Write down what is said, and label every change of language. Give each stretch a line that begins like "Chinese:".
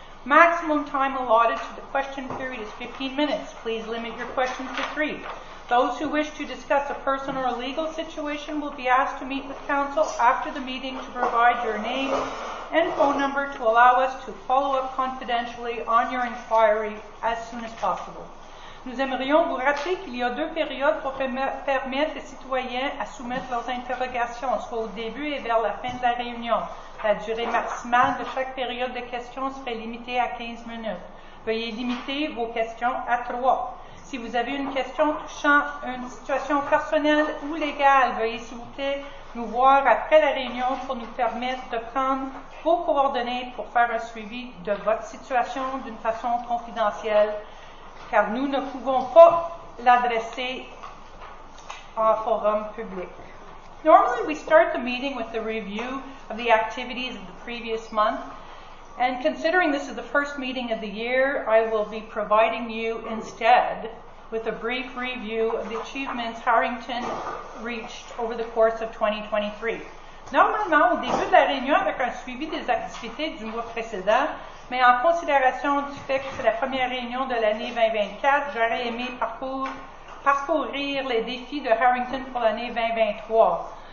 English: Maximum time allotted to the question period is 15 minutes. Please limit your questions to 3. Those who wish to discuss a personal or legal situation will be asked to meet with council after the meeting to provide your name and phone number to allow us to follow up confidentially on your inquiry as soon as possible.
French: Nous aimerions vous rappeler qu'il y a deux périodes pour permettre aux citoyens à soumettre leurs interrogations, soit au début et vers la fin de la réunion. La durée maximale de chaque période de questions serait limitée à 15 minutes. Veuillez limiter vos questions à 3. Si vous avez une question touchant une situation personnelle ou légale, veuillez s'il vous plaît nous voir après la réunion pour nous permettre de prendre vos coordonnées pour faire un suivi de votre situation d'une façon confidentielle, car nous ne pouvons pas l'adresser en forum public.
English: Normally, we start the meeting with the review of the activities of the previous month. And considering this is the first meeting of the year, I will be providing you instead with a brief review of the achievements Harrington reached over the course of 2023.
French: Normalement, au début de la réunion, avec un suivi des activités du mois précédent, mais en considération du fait que c'est la première réunion de l'année 2024, j'aurais aimé parcourir les défis de Harrington pour l'année 2023.